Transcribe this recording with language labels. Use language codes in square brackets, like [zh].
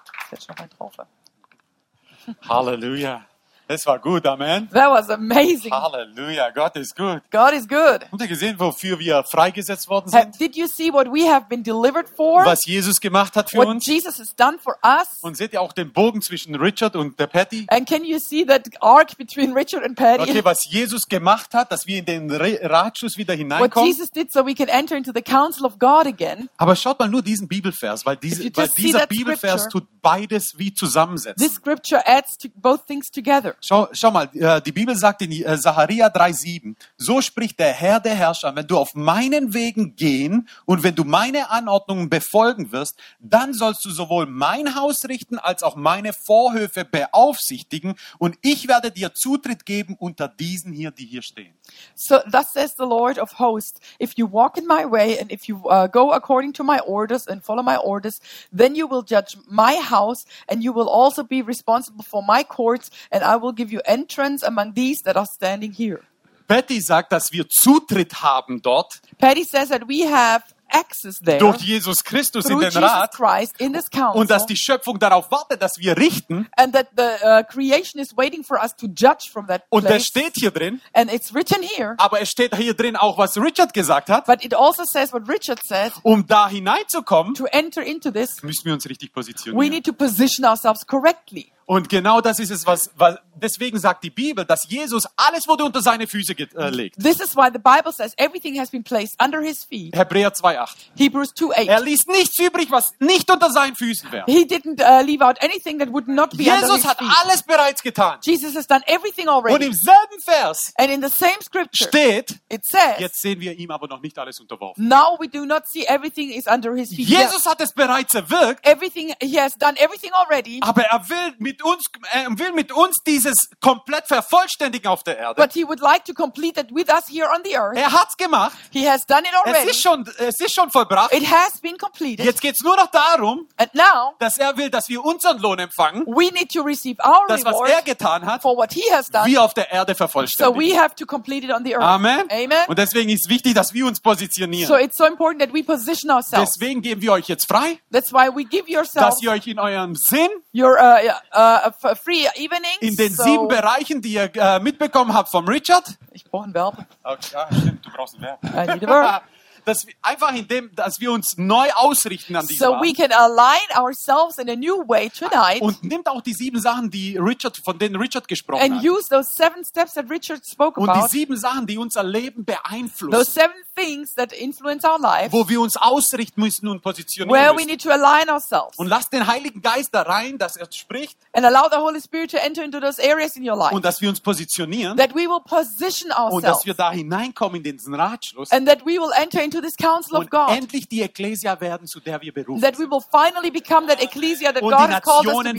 [de] Setz noch ein drauf. Hallelujah. Das war gut, amen. [en] That was amazing. Hallelujah, God is good. God is good. [de] Habt ihr gesehen, wofür wir freigesetzt worden sind? [en] Did you see what we have been delivered for? [de] Was Jesus gemacht hat für [en] what [de] uns? [en] What Jesus has done for us? [de] Und seht ihr auch den Bogen zwischen Richard und der Patty? [en] And can you see that arc between Richard and Patty? [de] Okay, was Jesus gemacht hat, dass wir in den Ratschluss wieder hineinkommen. [en] What Jesus did so we can enter into the counsel of God again. [de] Aber schaut mal nur diesen Bibelvers, weil dieser Bibelvers tut beides wie zusammensetzen. [en] This scripture adds to both things together. [de] Schau mal, die Bibel sagt in Zacharia 3,7, so spricht der Herr der Herrscher, wenn du auf meinen Wegen gehen und wenn du meine Anordnungen befolgen wirst, dann sollst du sowohl mein Haus richten, als auch meine Vorhöfe beaufsichtigen und ich werde dir Zutritt geben unter diesen hier, die hier stehen. [en] So, thus says the Lord of hosts, if you walk in my way and if you go according to my orders and follow my orders, then you will judge my house and you will also be responsible for my courts and I will give you entrance among these that are standing here. [de] Patty sagt, dass wir Zutritt haben dort. [en] Patty says that we have access there. [de] Durch Jesus Christus in den Rat. [en] Jesus Christ in this council. [de] Und dass die Schöpfung darauf wartet, dass wir richten. [en] And that the creation is waiting for us to judge from that place. [de] Und es steht hier drin. [en] And it's written here. [de] Aber es steht hier drin auch, was Richard gesagt hat. [en] But it also says what Richard said. [de] Um da hineinzukommen. [en] To enter into this. [de] Müssen wir uns richtig positionieren. [en] We need to position ourselves correctly. [de] Und genau das ist es, was deswegen sagt die Bibel, dass Jesus alles wurde unter seine Füße gelegt. [en] This is why the Bible says everything has been placed under his feet. [de] Hebräer 2:8. [en] Hebrews 2:8. [de] Er ließ nichts übrig, was nicht unter seinen Füßen wäre. [en] He didn't leave out anything that would not be Jesus under his feet. [de] Jesus hat alles bereits getan. [en] Jesus has done everything already. [de] Und im selben Vers [en] and in the same scripture [de] steht, [en] it says, [de] jetzt sehen wir ihm aber noch nicht alles unterworfen. [en] Now we do not see everything is under his feet. [de] Jesus hat es bereits erwirkt. [en] Everything he has done everything already. [de] Aber er will mit uns dieses komplett vervollständigen auf der Erde. [en] But he would like to complete it with us here on the earth. [de] Er hat's gemacht. [en] He has done it already. [de] Es ist schon vollbracht. [en] It has been completed. [de] Jetzt geht's nur noch darum, [en] and now, [de] dass er will, dass wir unseren Lohn empfangen. [en] We need to receive our [de] das, was [en] reward [de] er getan hat, [en] for what he has done. [de] Wir auf der Erde vervollständigen. [en] So we have to complete it on the earth. [de] Amen. [en] Amen. [de] Und deswegen ist wichtig, dass wir uns positionieren. [en] So it's so important that we position ourselves. [de] Deswegen geben wir euch jetzt frei. [en] That's why we give yourself. [de] Dass ihr euch in eurem Sinn [en] your free evening [de] in den sieben Bereichen, die ihr mitbekommen habt vom Richard. Ich brauche einen Verb. Okay, ja, stimmt, du brauchst einen Verb. [en] I need a verb. [de] Dass wir einfach in dem, dass wir uns neu ausrichten an diesem [en] so [de] Abend. [en] We can align ourselves in a new way tonight. [de] Und nimmt auch die sieben Sachen, die Richard, von denen Richard gesprochen [en] and And use those seven steps that Richard spoke [de] und [en] about. [de] Und die sieben Sachen, die unser Leben beeinflussen. [en] Those seven things that influence our life. [de] Wo wir uns ausrichten müssen und positionieren [en] where [de] müssen. [en] Where we need to align ourselves. [de] Und lasst den Heiligen Geist da rein, dass er spricht. [en] And allow the Holy Spirit to enter into those areas in your life. [de] Und dass wir uns positionieren. [en] That we will position ourselves. [de] Und dass wir da hineinkommen in den Ratschluss. [en] And that we will enter into this council of God. [de] Endlich die Ekklesia werden, zu der wir berufen. [en] That we will finally become that Ekklesia that God has called us to be.